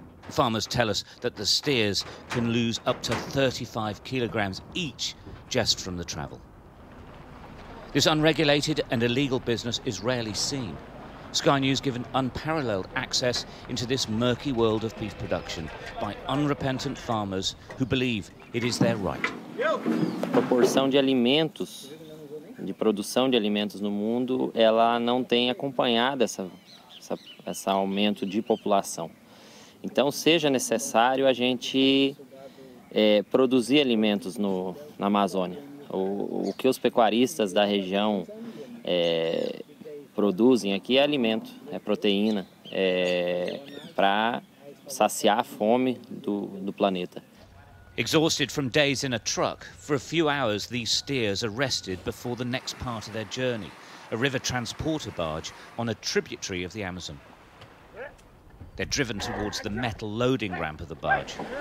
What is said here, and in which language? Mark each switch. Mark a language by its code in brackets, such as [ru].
[en] Farmers tell us that the steers can lose up to 35 kilograms each just from the travel. This unregulated and illegal business is rarely seen. Sky News given unparalleled access into this murky world of beef production by unrepentant farmers who believe it is their right. [pt] Proporção de alimentos, de produção de alimentos no mundo, ela não tem acompanhado esse aumento de população. Então, seja necessário a gente produzir alimentos na Amazônia. O que os pecuaristas da região produzem aqui é alimento, é proteína, é para saciar a fome do planeta. [en] Exhausted from days in a truck, for a few hours these steers are rested before the next part of their journey, a river transporter barge on a tributary of the Amazon. They're driven towards the metal loading ramp of the barge.